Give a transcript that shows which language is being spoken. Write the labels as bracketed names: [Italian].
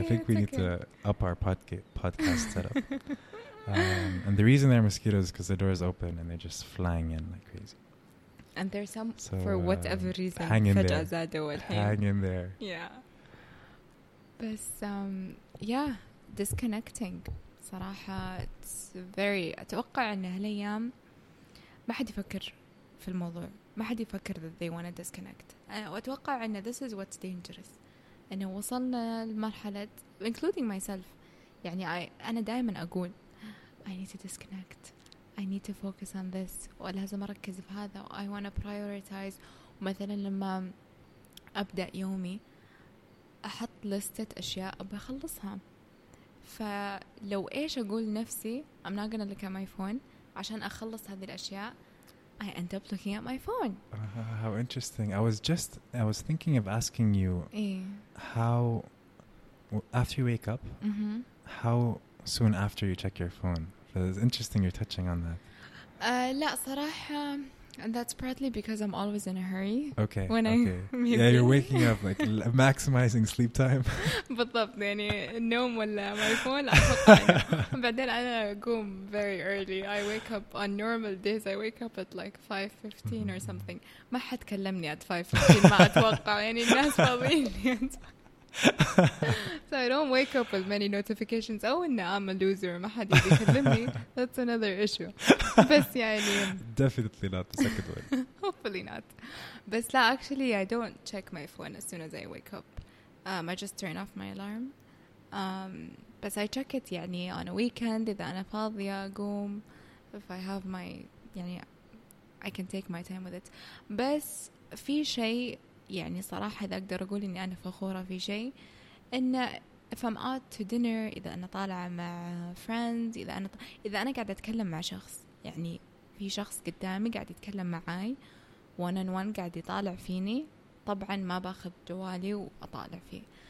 [English] I think we need to up our podcast setup. And the reason there are mosquitoes is because the door is open and they're just flying in like crazy. And there's some, so, for whatever reason, hang in there. Hang in there. Yeah. But, yeah, disconnecting. [Arabic] صراحة, [English] it's very, [Arabic] أتوقع أن هالأيام ما حد يفكر في الموضوع. ما حد يفكر [English] that they want to disconnect. [Arabic] وأتوقع أن [English] this is what's dangerous. [Arabic] أنه وصلنا لمرحلة, [English] including myself. [Arabic] يعني أنا دائما أقول, [English] I need to disconnect. I need to focus on this. [Arabic] ولازم أركز في هذا. [English] I want to prioritize. [Arabic] مثلا لما أبدأ يومي أحط لستة أشياء أبغى أخلصها. فلو إيش أقول نفسي, [English] I'm not gonna look at my phone, [Arabic] عشان أخلص هذه الأشياء, [English] I end up looking at my phone. How interesting. I was thinking of asking you, [Arabic] إيه؟ [English] How after you wake up, mm-hmm. how soon after you check your phone? It's interesting you're touching on that. [Arabic] لا صراحة, [English] that's partly because I'm always in a hurry. Okay. When okay. I yeah, you're waking up like maximizing sleep time. [Arabic] بالضبط يعني النوم ولا [English] my phone. [Arabic] بعدين أنا أقوم [English] very early. I wake up on normal days. I wake up at like 5:15 or something. [Arabic] ما حد كلمني [English] at 5:15. [Arabic] ما أتوقع يعني الناس فاضيين. [English] So I don't wake up with many notifications. Oh, and I'm a loser. [Arabic] ما حد يكلمني. [English] That's another issue. [Arabic] بس يعني. [English] Definitely not the second one. Hopefully not. [Arabic] بس لا, [English] actually, I don't check my phone as soon as I wake up. I just turn off my alarm. [Arabic] بس [English] I check it [Arabic] يعني [English] on a weekend [Arabic] إذا أنا فاضية أقوم. [English] If I have my يعني, I can take my time with it. [Arabic] بس في شيء. يعني صراحة إذا أقدر أقول إني أنا فخورة في شيء, إن [English] if I'm out to dinner, [Arabic] إذا أنا طالعة مع friends, إذا أنا قاعدة أتكلم مع شخص, يعني في شخص قدامي قاعد يتكلم معاي [English] one on one, [Arabic] قاعد يطالع فيني, طبعا ما باخذ جوالي وأطالع فيه.